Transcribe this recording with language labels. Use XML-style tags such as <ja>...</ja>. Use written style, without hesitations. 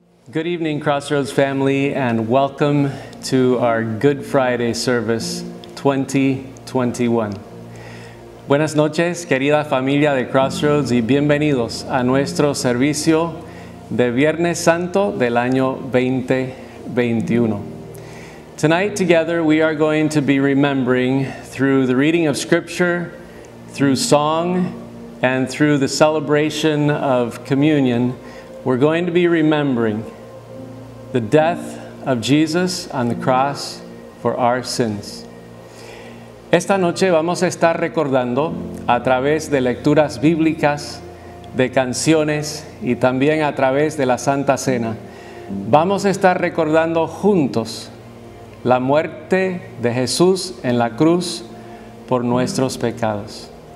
<en>Good evening, Crossroads family, and welcome to our Good Friday service 2021.</en> <es>Buenas noches, querida familia de Crossroads, y bienvenidos a nuestro servicio de Viernes Santo del año 2021.</es> <en>Tonight, together, we are going to be remembering through the reading of Scripture, through song, and through the celebration of communion, we're going to be remembering the death of Jesus on the cross for our sins.</en> <es>Esta noche vamos a estar recordando a través de lecturas bíblicas, de canciones y también a través de la Santa Cena. Vamos a estar recordando juntos la muerte de Jesús en la cruz por nuestros pecados.</es>